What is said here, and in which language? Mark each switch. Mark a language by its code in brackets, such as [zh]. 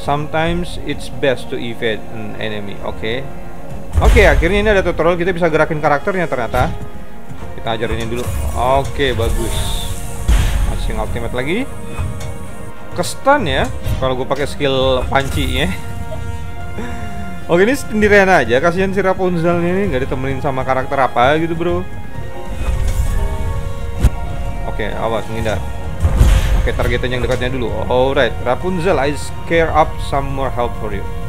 [en] Sometimes it's best to evade an enemy. [id] Oke. Oke, akhirnya ini ada tutorial, kita bisa gerakin karakternya ternyata. Kita ajarin dulu. Oke, bagus. Masih ultimate lagi. Kestun ya kalau gue pakai skill panci ya. Oke, ini sendirian aja. Kasihan si Rapunzelnya ini enggak ditemenin sama karakter apa gitu, bro. Oke, awas menghindar. Oke, targetin yang dekatnya dulu. [en] Alright, Rapunzel, I scare up some more help for you.